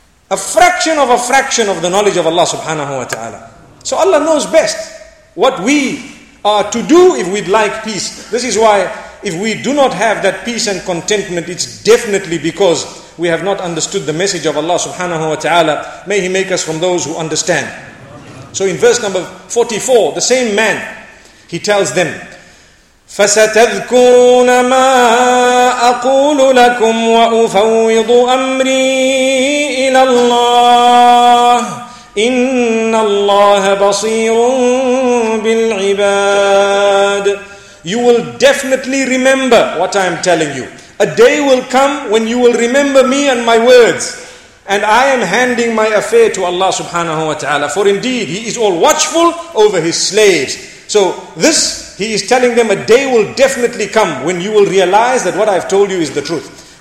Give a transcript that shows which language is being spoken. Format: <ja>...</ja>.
<en>A fraction of a fraction of the knowledge of Allah subhanahu wa ta'ala. So Allah knows best what we are to do if we'd like peace. This is why if we do not have that peace and contentment, it's definitely because we have not understood the message of Allah subhanahu wa ta'ala. May He make us from those who understand. So in verse number 44, the same man, he tells them,</en> <ar>فَسَتَذْكُرُونَ مَا أَقُولُ لَكُمْ وَأُفَوِّضُ أَمْرِي إِلَى اللَّهِ إِنَّ اللَّهَ بَصِيرٌ بِالْعِبَادِ.</ar> <en>You will definitely remember what I am telling you. A day will come when you will remember me and my words. And I am handing my affair to Allah subhanahu wa ta'ala. For indeed, He is all watchful over His slaves. So this, He is telling them, a day will definitely come when you will realize that what I've told you is the truth.</en>